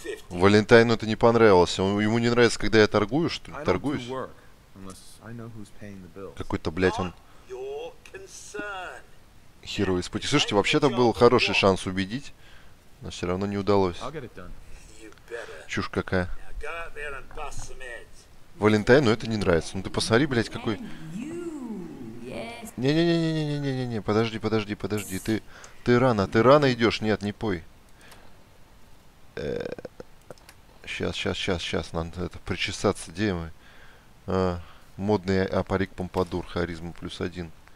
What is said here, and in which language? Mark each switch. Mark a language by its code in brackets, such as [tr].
[ru] Валентайну это не понравилось. Ему не нравится, когда я торгую, что ли? [en] I don't [ru] Торгуюсь? [en] do work unless I know who's paying the bills. [ru] Какой-то, блядь, он... [en] Not your concern. [ru] Херовый испытатель. [en] Now, [ru] Слушайте, вообще-то был хороший шанс убедить, но все равно не удалось. [en] I'll get it done. You better. [ru] Чушь какая. [en] Now go out there and bust some heads. [ru] Валентайну это не нравится. Ну ты посмотри, блядь, какой... Не-не-не-не-не-не-не-не-не, подожди, подожди, подожди, ты рано идешь, нет, не пой. Сейчас, сейчас, сейчас, сейчас, надо это, причесаться, где мы? Модный парик помпадур, харизма плюс один.